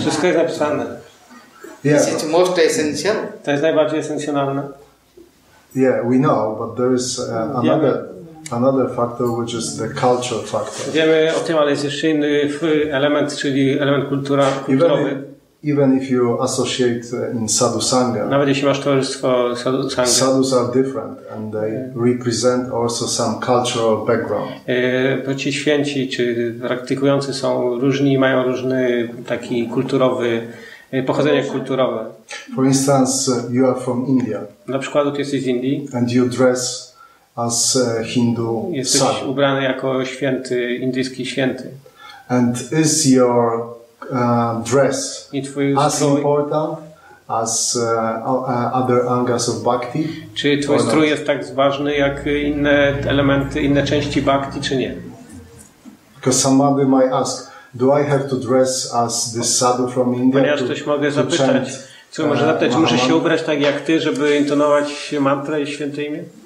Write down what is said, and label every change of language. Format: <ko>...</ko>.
<pl>Wszystko jest napisane.</pl> <en>Yeah. It's most essential.</en> <pl>To jest najbardziej esencjonalne.</pl> <en>Yeah, we know, but there is another factor, which is the culture factor.</en> <pl>Wiemy o tym, ale jest jeszcze inny element, czyli element kulturowy.</pl> <en>Even if you associate in sadhu sangha,</en> <pl>nawet jeśli masz towarzystwo sadhu sangha,</pl> <en>sadhus are different and they represent also some cultural background.</en> <pl>Ci święci czy praktykujący są różni, mają różny taki kulturowy pochodzenie kulturowe.</pl> <en>For instance, you are from India.</en> <pl>Na przykład ty jesteś z Indii.</pl> <en>And you dress as a Hindu.</en> <pl>Jesteś sadhu. Ubrany jako święty, indyjski święty.</pl> <en>And is your dress as important as other angas of bhakti?</en> <pl>Czy twój strój jest tak ważny jak inne elementy, inne części bhakti, czy nie?</pl> <en>Because somebody might ask, do I have to dress as the sadhu from India?</en> <pl>Ponieważ ktoś mogę zapytać, co może zapytać, czy muszę się ubrać tak jak ty, żeby intonować mantrę i święte imię?</pl>